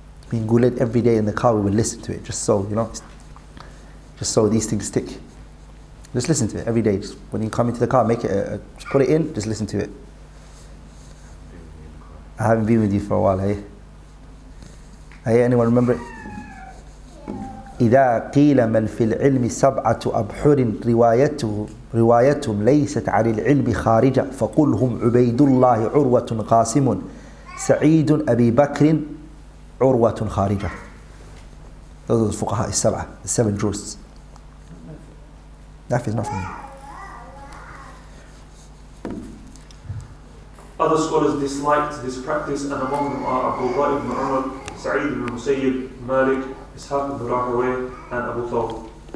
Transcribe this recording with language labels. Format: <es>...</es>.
<en>Being gulled every day in the car, we would listen to it, just so these things stick. Just listen to it every day. Just when you come into the car, make it, just put it in, just listen to it. I haven't been with you for a while, eh? Hey, anyone remember it?</en> <ar>إذا قيل من في العلم سبعة أبحر روايتهم ليست عن العلم خارجة فقل هم عبيد الله عروة قاسم سعيد أبي بكر عروة خارجة.</ar> <en>Those are the fuqaha, السبعة, the seven jurists. Naf is not for me. Other scholars disliked this practice, and among them are Abdullah ibn Umar, Sa'id ibn Musayyib, Malik, Ishaq ibn Rahway, and Abu Thawb.</en>